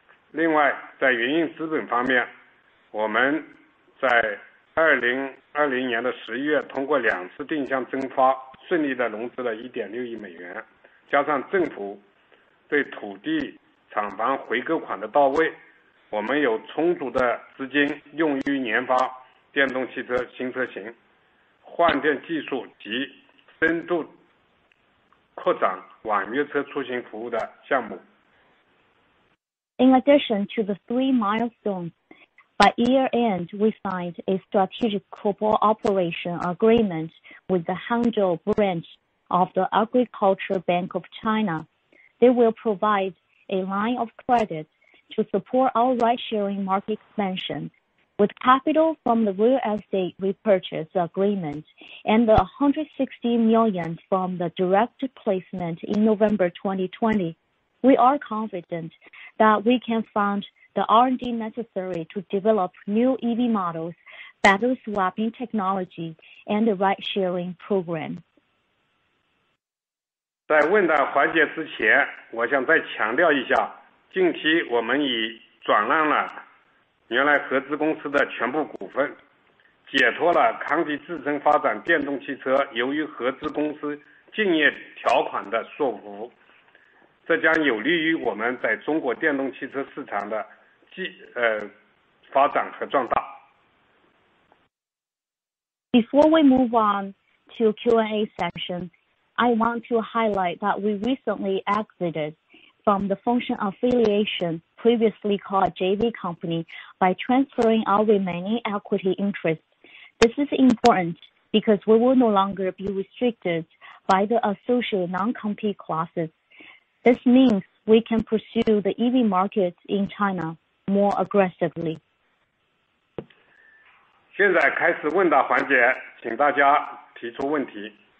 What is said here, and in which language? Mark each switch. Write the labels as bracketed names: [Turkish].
[Chinese] 另外，在云印资本方面，我们在2020年10月通过两次定向增发，顺利的融资了1.6亿美元，加上政府对土地厂房回购款的到位，我们有充足的资金用于研发电动汽车新车型、换电技术及深度扩展网约车出行服务的项目。 [English] In addition to the three milestones, by year end, we signed a strategic cooperation agreement with the Hangzhou branch of the Agriculture Bank of China. They will provide a line of credit to support our ride-sharing market expansion. With capital from the real estate repurchase agreement and the $160 million from the direct placement in November 2020, we are confident that we can fund the R&D necessary to develop new EV models, battery swapping technology, and the ride-sharing program. [Chinese] 在问答环节之前，我想再强调一下，近期我们已转让了原来合资公司的全部股份，解脱了康迪自身发展电动汽车由于合资公司竞业条款的束缚，这将有利于我们在中国电动汽车市场的发展和壮大。 [English] Before we move on to Q&A session, I want to highlight that we recently exited from the Fengxian affiliation, previously called JV company, by transferring our remaining equity interest. This is important because we will no longer be restricted by the associated non-compete clauses. This means we can pursue the EV market in China more aggressively. [Chinese] 现在开始问答环节，请大家提出问题。